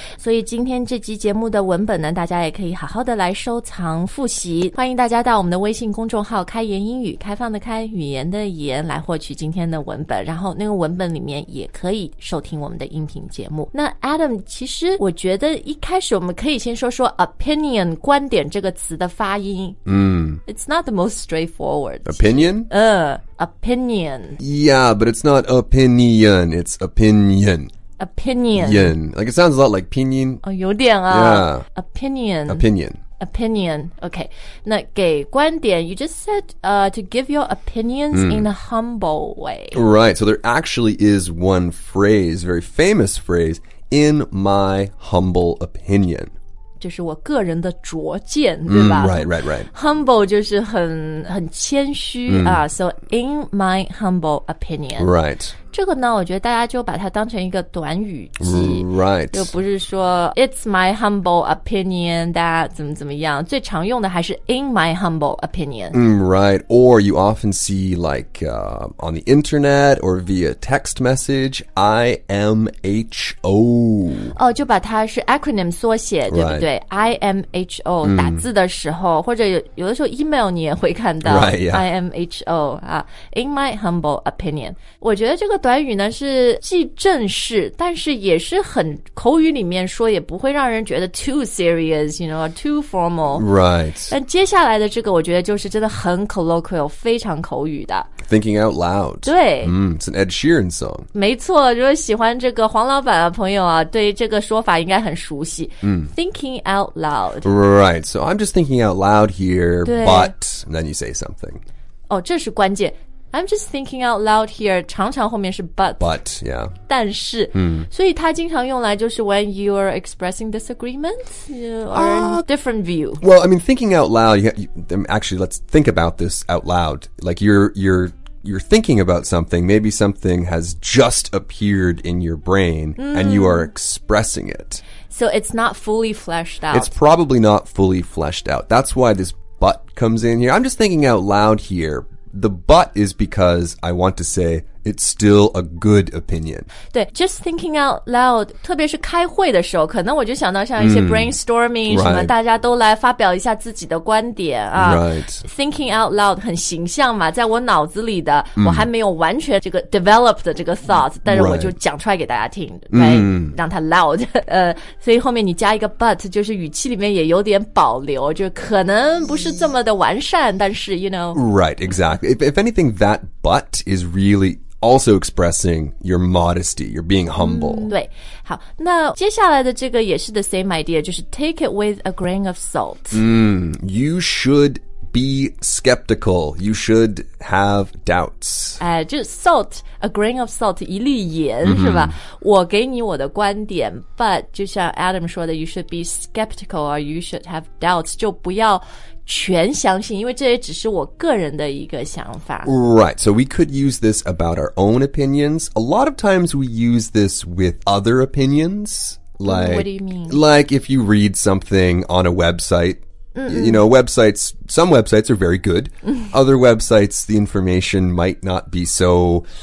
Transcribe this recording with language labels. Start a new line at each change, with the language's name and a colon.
Chinese: 所以今天这期节目的文本呢，大家也可以好好的来收藏复习。欢迎大家到我们的微信公众号“开言英语”，开放的开，语言的言，来获取今天的文本。然后那个文本里面也可以收听我们的音频节目。那 Adam， 其实我觉得一开始我们可以先说说 opinion。观点这个词的发音、
English: It's not the most straightforward. Opinion? Opinion. Yeah, but it's not opinion. It's opinion. Opinion. Yen. Like it sounds a lot like pinyin.
Chinese: 哦，有点啊。
English: Yeah. Opinion. Opinion. Opinion. Okay.
Chinese: 那给观点
English: you just said to give your opinions、in a humble way. Right. So there actually is one phrase, very famous phrase, in my humble opinion.
Chinese: 就是我个人的拙见对吧、
English: right. Humble
Chinese: 就是很谦虚、
English: So in my humble opinion Right
Chinese: 这个呢我觉得大家就把它当成一个短语集
English: Right
Chinese: 就不是说
English: It's my humble opinion
Chinese: 大家怎么怎么样最常用的还是
English: In my humble opinion、 Right Or you often see like、On the internet Or via text message I-M-H-O
Chinese: 哦就把它是 acronym 缩写对吧、
English: right.
Chinese: 对 ,IMHO,、打字的时候或者 有的时候 email 你也会看到
English: right,、yeah. IMHO,、in my humble opinion.
Chinese: 我觉得这个短语呢是既正式但是也是很口语里面说也不会让人觉得
English: too serious, you know, too formal. Right.
Chinese: 但接下来的这个我觉得就是真的很 colloquial, 非常口语的。
English: Thinking out loud.
Chinese: 对。
English: It's an Ed Sheeran song.
Chinese: 没错如果喜欢这个黄老板的朋友啊对这个说法应该很熟悉。
English: Thinking out loud. Right, so I'm just thinking out loud here, but then you say something.
Chinese: Oh, 这是关键。
English: I'm just thinking out loud here,
Chinese: 常常后面是
English: but. But, yeah.
Chinese: 但是、所以它经常用来就是
English: when you are expressing disagreement or different view. Well, I mean, thinking out loud, actually, let's think about this out loud. Like you're thinking about something, maybe something has just appeared in your brain、and you are expressing it. So it's not fully fleshed out. It's probably not fully fleshed out. That's why this but comes in here. I'm just thinking out loud here. The but is because I want to say it's still a good opinion.
Chinese: 对
English: just thinking out loud,
Chinese: 特别是开会的时候可能我就想到像一些 brainstorming 什么、大家都来发表一下自己的观点啊。
English: Right.
Chinese: Thinking out loud 很形象嘛在我脑子里的、我还没有完全这个 develop 的这个 thought, 但是我就讲出来给大家听 right.
English: Right? 让它 loud.
Chinese: 所以后面你加一个 but, 就是语气里面也有点保留就可能不是这么的完善但是
English: you know. Right, exactly. If anything, that but is really,also expressing your modesty, you're being humble.、
Chinese: 对好那接下来的这个也是
English: the same idea,
Chinese: 就是
English: take it with a grain of salt.、 You should be skeptical, you should have doubts.、
Chinese: 就 salt, a grain of salt, 一粒盐、是吧我给你我的观点 but 就像 Adam 说的
English: you should be skeptical or you should have doubts,
Chinese: 就不要全相信因为这也只是我个人的一个想法
English: Right, so we could use this about our own opinions. A lot of times we use this with other opinions. Like, what do you mean? Like if you read something on a website、you know, websites, some websites are very good. Other websites, the information might not be so